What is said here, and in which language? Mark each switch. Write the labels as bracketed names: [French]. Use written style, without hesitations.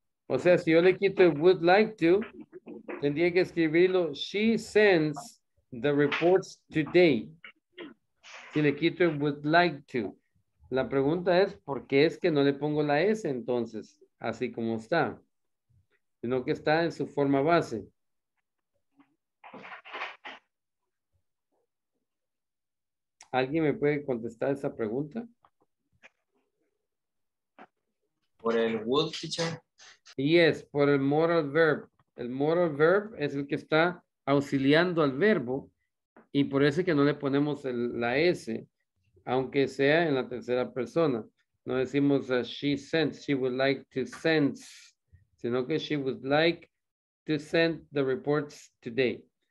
[Spanish] O sea, si yo le quito would like to, tendría que escribirlo, [English] she sends the reports today. [Spanish] Si le quito would like to. La pregunta es, ¿por qué es que no le pongo la S entonces? Así como está. Sino que está en su forma base. ¿Alguien me puede contestar esa pregunta? Por el would, teacher. Yes, por el modal verb. El modal verb es el que está auxiliando al verbo y por eso es que no le ponemos la S, aunque sea en la tercera persona. No decimos [English] she sends, she would like to send, [Spanish] sino que [English] she would like to send the reports today.